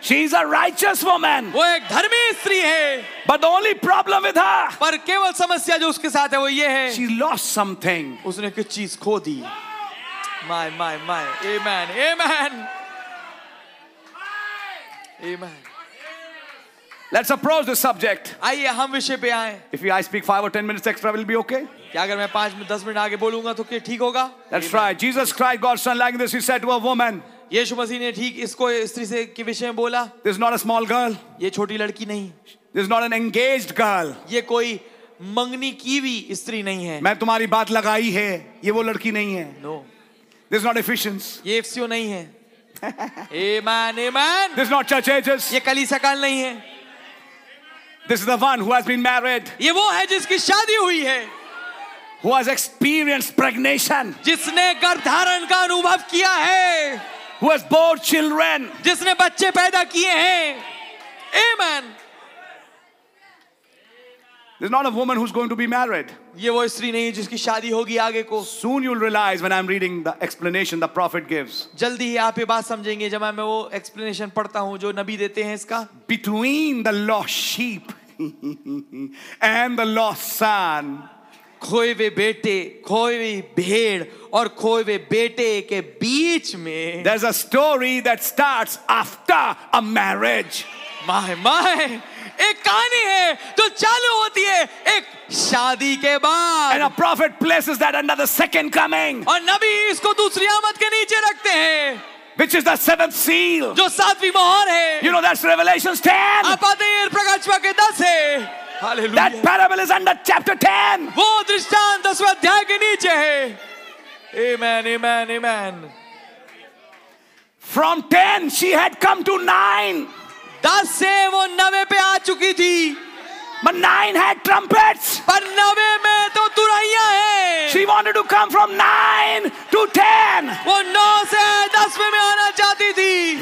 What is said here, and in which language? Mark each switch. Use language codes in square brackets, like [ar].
[en] She is a righteous woman. [hi] वो एक धर्मी स्त्री है. [en] But the only problem with her. [hi] पर केवल समस्या जो उसके साथ है वो ये है. [en] She lost something. [hi] उसने कुछ चीज खो दी. [en] My, my, my. Amen. Amen. Amen. Let's approach the subject. [hi] आइए हम विषय पे आएं. [en] If I speak 5 or 10 minutes extra, will be okay. [hi] क्या अगर मैं 5-10 मिनट आगे बोलूंगा तो क्या ठीक होगा? [en] That's right. Jesus Christ, God's Son, like this, he said to a woman. [hi] यीशु मसीह ने ठीक इसको स्त्री से के विषय में बोला. [en] This is not a small girl. [hi] ये छोटी लड़की नहीं. [en] This is not an engaged girl. [hi] ये कोई मंगनी की भी स्त्री नहीं है. मैं तुम्हारी बात लगाई है. ये वो लड़की नहीं है. [en] No. This is not Ephesians. [hi] ये एफसीओ नहीं है. [en] Amen, amen. This is not church ages. [hi] ये कलीसिया काल नहीं है. [en] This is the one who has been married. [hi] ये वो है जिसकी शादी हुई है. [en] Who has experienced pregnation? [hi] जिसने गर्भधारण का अनुभव किया है. [en] Who has bore children? [hi] जिसने बच्चे पैदा किए हैं. [en] Amen. There's not a woman who's going to be married. [hi] ये वो स्त्री नहीं है जिसकी शादी होगी आगे को. [en] Soon you'll realize when I'm reading the explanation the prophet gives. [hi] जल्दी ही आप ये बात समझेंगे जब मैं वो explanation पढ़ता हूँ जो नबी देते हैं इसका. [en] Between the lost sheep and the lost son. [hi] खोए हुए बेटे, खोए हुए भेड़ और खोए हुए बेटे के बीच में. [en] There's a story that starts after a marriage. My, my. [hi] एक कहानी है जो चालू होती है एक शादी के बाद. [en] And a prophet places that under the second coming. [hi] और नबी इसको दूसरी आमद के नीचे रखते हैं. [en] Which is the seventh seal. [hi] जो सातवीं मोहर है. [en] You know that's Revelation 10. [hi] आप आते हैं प्रकाशवाक्य के 10 है. [en] Hallelujah. That parable is under chapter 10. [hi] वो दृष्टांत 10वें अध्याय के नीचे है. [en] Amen, amen, amen. From 10 she had come to 9. [hi] 10 से वो 9 पे आ चुकी थी. [en] But 9 had trumpets. [hi] पर 9 में तो तुरहियां हैं. [en] She wanted to come from 9 to 10. [hi] वो 9 से 10वें में आना चाहती थी.